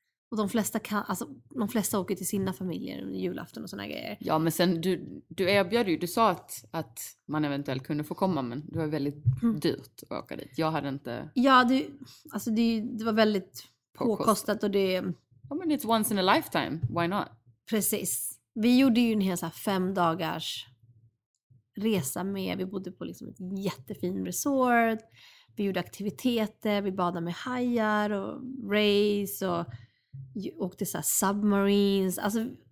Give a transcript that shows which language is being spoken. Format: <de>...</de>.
<sv>Och de flesta kan, alltså, de flesta åker till sina familjer under julafton och såna grejer. Ja, men sen du erbjöd ju, du sa att man eventuellt kunde få komma, men det var väldigt dyrt att åka dit. Jag hade inte... Ja, det var väldigt påkostat och det... Ja, men</sv> <en>it's once in a lifetime, why not?</en> <sv>Precis. Vi gjorde ju en hel så här 5 dagars resa med, vi bodde på liksom ett jättefin resort, vi gjorde aktiviteter, vi badade med hajar och race och åkte så här submarines, alltså...</sv>